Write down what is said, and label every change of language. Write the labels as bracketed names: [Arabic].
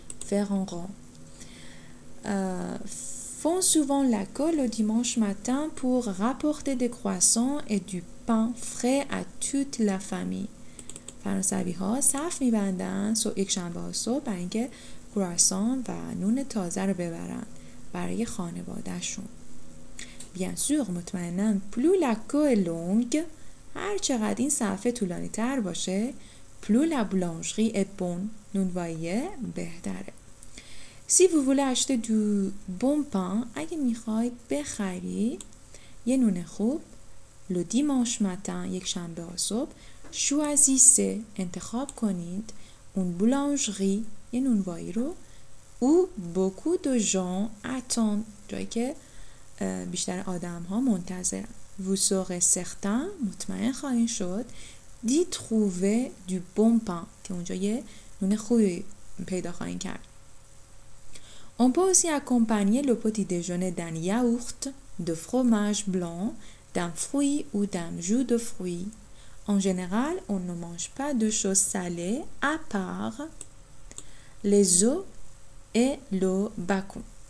[French] faire en rang. Font souvent la queue le dimanche matin pour rapporter des croissants et du pain frais à toute la famille. [Persian] فرانسوی ها صف میبندن سو یک شنبه صبح برای اینکه کرواسان و نون تازه رو ببرن برای خانوادهشون. [French] bien sûr [Persian] مطمئنن [French] plus la queue est longue [Persian] هر چقدر این صفحه طولانی تر باشه [French] plus la boulangerie est bon [Persian] نونواییه بهتره. [French] Si vous voulez acheter du bon pain, [Persian] اگه میخواید بخرید یه نون خوب [French] le dimanche matin, [Persian] یک شنبه صبح [French] choisissez, [Persian] انتخاب کنید اون بولانجری یه نونوایی رو او [French] beaucoup de gens attend [Persian] جایی که بیشتر آدم ها منتظرن. [French] Vous serez certain, [Persian] مطمئن خواهید شد [French] d'y trouver du bon pain [Persian] که اونجا یه نون خوبی پیدا خواهید کرد. [French] On peut aussi accompagner le petit déjeuner d'un yaourt, de fromage blanc, d'un fruit ou d'un jus de fruit. En général, on ne mange pas de choses salées à part les œufs et le bacon.